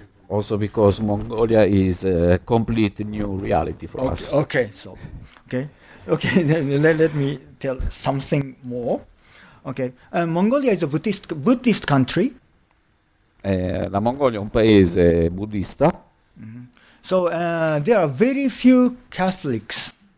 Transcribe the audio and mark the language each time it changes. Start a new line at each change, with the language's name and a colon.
English: Also because Mongolia is a complete new reality for us. Okay, so, okay, let me tell something more. Okay, Mongolia is a Buddhist country.
Italian: La Mongolia è un paese buddista. Mm-hmm.
English: So there are very few Catholics.